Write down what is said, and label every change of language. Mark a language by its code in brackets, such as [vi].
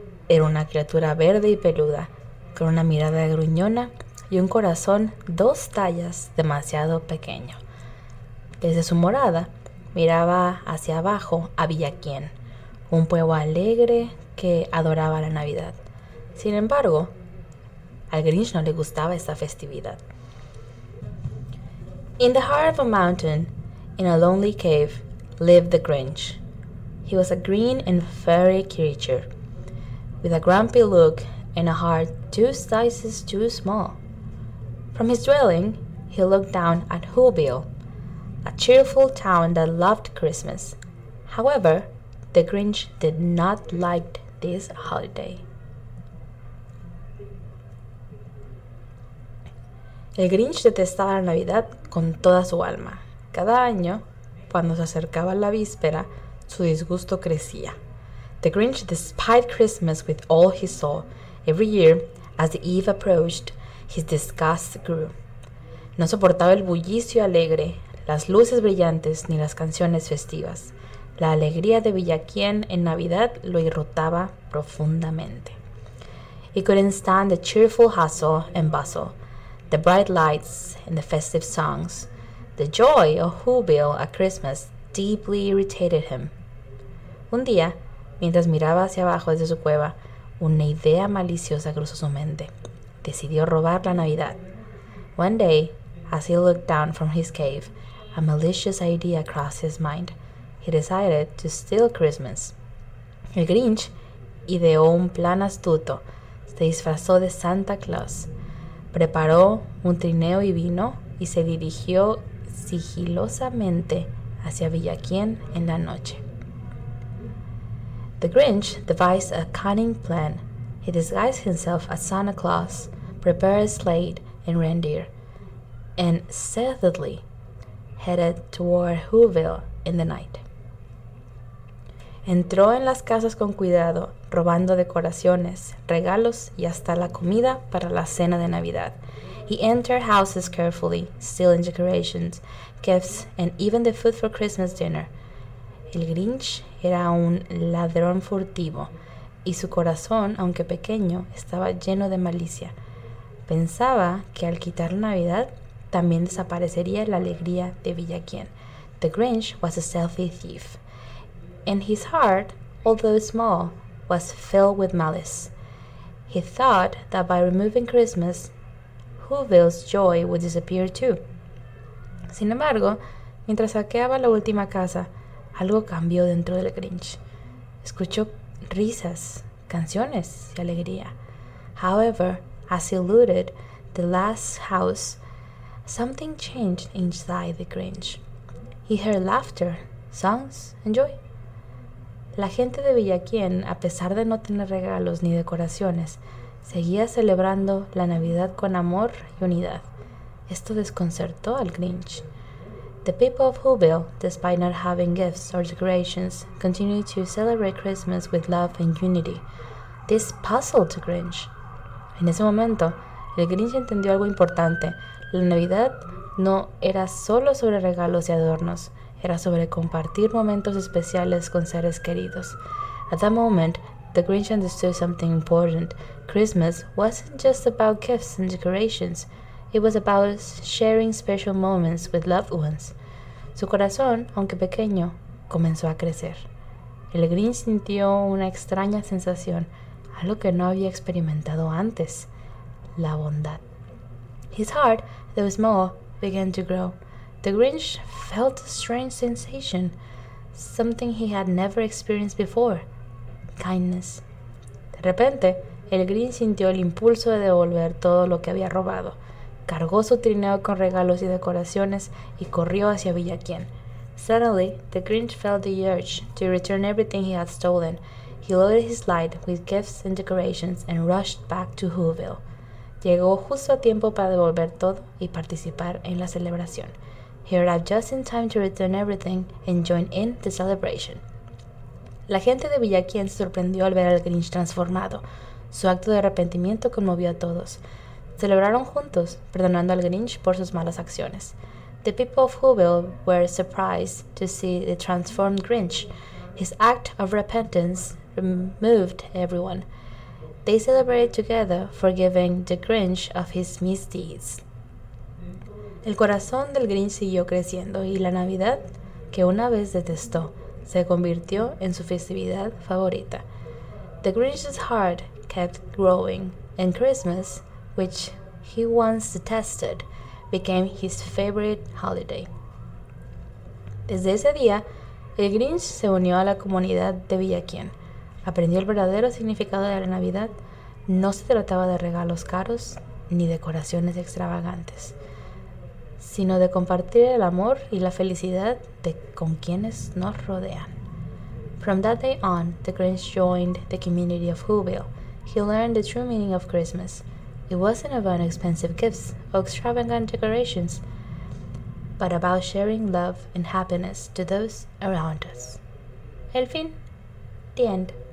[es] Era una criatura verde y peluda, con una mirada gruñona y un corazón dos tallas demasiado pequeño. Desde su morada, miraba hacia abajo a Villaquién, un pueblo alegre que adoraba la Navidad. Sin embargo, al Grinch no le gustaba esa festividad. [en] In the heart of a mountain, in a lonely cave, lived the Grinch. He was a green and furry creature, with a grumpy look and a heart two sizes too small. From his dwelling, he looked down at Whoville, a cheerful town that loved Christmas. However, the Grinch did not like this holiday. [es] El Grinch detestaba la Navidad con toda su alma. Cada año, cuando se acercaba la víspera, su disgusto crecía. [en] The Grinch despised Christmas with all his soul. Every year, as the eve approached, his disgust grew. [es] No soportaba el bullicio alegre, las luces brillantes ni las canciones festivas. La alegría de Villaquién en Navidad lo irritaba profundamente. [en] He couldn't stand the cheerful hustle and bustle, the bright lights and the festive songs. The joy of Whoville at Christmas deeply irritated him. [es] Un día, mientras miraba hacia abajo desde su cueva, una idea maliciosa cruzó su mente. Decidió robar la Navidad. [en] One day, as he looked down from his cave, a malicious idea crossed his mind. He decided to steal Christmas. [es] El Grinch ideó un plan astuto. Se disfrazó de Santa Claus. Preparó un trineo y vino y se dirigió sigilosamente hacia Villaquién en la noche. [en] The Grinch devised a cunning plan. He disguised himself as Santa Claus, prepared a sleigh and reindeer, and stealthily headed toward Whoville in the night. [es] Entró en las casas con cuidado, robando decoraciones, regalos y hasta la comida para la cena de Navidad. [en] He entered houses carefully, stealing decorations, gifts, and even the food for Christmas dinner. [es] El Grinch era un ladrón furtivo, y su corazón, aunque pequeño, estaba lleno de malicia. Pensaba que al quitar la Navidad, también desaparecería la alegría de Villaquién. [en] The Grinch was a stealthy thief. And his heart, although small, was filled with malice. He thought that by removing Christmas, Whoville's joy would disappear too. [es] Sin embargo, mientras saqueaba la última casa, algo cambió dentro del Grinch. Escuchó risas, canciones y alegría. [en] However, as he looted the last house, something changed inside the Grinch. He heard laughter, songs, and joy. [es] La gente de Villaquién, a pesar de no tener regalos ni decoraciones, seguía celebrando la Navidad con amor y unidad. Esto desconcertó al Grinch. [en] The people of Whoville, despite not having gifts or decorations, continued to celebrate Christmas with love and unity. This puzzled the Grinch. [es] En ese momento, el Grinch entendió algo importante. La Navidad no era solo sobre regalos y adornos. Era sobre compartir momentos especiales con seres queridos. [en] At that moment, the Grinch understood something important. Christmas wasn't just about gifts and decorations. It was about sharing special moments with loved ones. [es] Su corazón, aunque pequeño, comenzó a crecer. El Grinch sintió una extraña sensación, algo que no había experimentado antes, la bondad. [en] His heart, though small, began to grow. The Grinch felt a strange sensation, something he had never experienced before, kindness. [es] De repente, el Grinch sintió el impulso de devolver todo lo que había robado. Cargó su trineo con regalos y decoraciones y corrió hacia Villaquién. [en] Suddenly, the Grinch felt the urge to return everything he had stolen. He loaded his sleigh with gifts and decorations and rushed back to Whoville. [es] Llegó justo a tiempo para devolver todo y participar en la celebración. [en] He arrived just in time to return everything and join in the celebration. [es] La gente de Villaquien se sorprendió al ver al Grinch transformado. Su acto de arrepentimiento conmovió a todos. Celebraron juntos, perdonando al Grinch por sus malas acciones. [en] The people of Whoville were surprised to see the transformed Grinch. His act of repentance moved everyone. They celebrated together, forgiving the Grinch of his misdeeds. [es] El corazón del Grinch siguió creciendo y la Navidad, que una vez detestó, se convirtió en su festividad favorita. [en] The Grinch's heart kept growing, and Christmas, which he once detested, became his favorite holiday. [es] Desde ese día, el Grinch se unió a la comunidad de Villaquien. Aprendió el verdadero significado de la Navidad. No se trataba de regalos caros ni decoraciones extravagantes, sino de compartir el amor y la felicidad de con quienes nos rodean. [en] From that day on, the Grinch joined the community of Whoville. He learned the true meaning of Christmas. It wasn't about expensive gifts or extravagant decorations, but about sharing love and happiness to those around us. [es] El fin. [en] The end.